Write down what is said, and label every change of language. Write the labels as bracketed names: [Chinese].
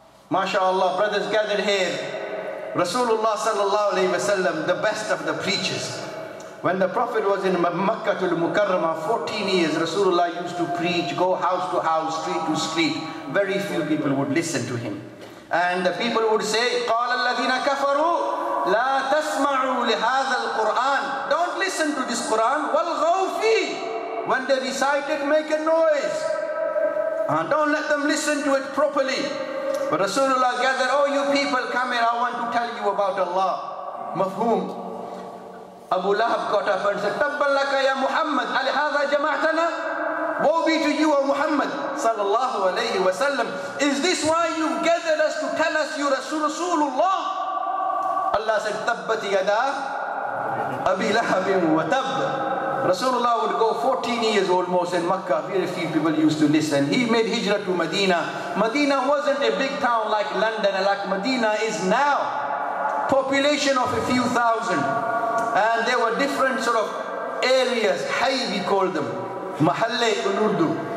[English] MashaAllah, brothers gathered here. Rasulullah sallallahu alayhi wa sallam, the best of the preachers. When the Prophet was in Makkatul Mukarramah, 14 years, Rasulullah used to preach, go house to house, street to street. Very few people would listen to him. And the people would say, [Arabic] قَالَ الَّذِينَ كَفَرُوا لَا تَسْمَعُوا لِهَذَا الْقُرْآنِ. [English] Don't listen to this Quran. [Arabic] وَالْغَوْفِ. [English] When they recite it, make a noise. Don't let them listen to it properly. But Rasulullah gathered, oh, you people, come here, I want to tell you about Allah. [Arabic] Mafhoom. [English] Abu Lahab got up and said, [Arabic] تَبَّلْ لَكَ يَا مُحَمَّدْ أَلِهَذَا جَمَعْتَنَا. [English] Woe be to you, O Muhammad sallallahu alayhi wa sallam. Is this why you gathered us to tell us you're Rasulullah? Allah said, [Arabic] تَبَّتْ يَدَا أَبِي لَهَبٍ وَتَبْ. [English] Rasulullah would go 14 years almost in Makkah. Very few people used to listen. He made hijrah to Medina. Medina wasn't a big town like London, like Medina is now. population of a few thousand. And there were different sort of areas, hay we call them, mahalle in Urdu.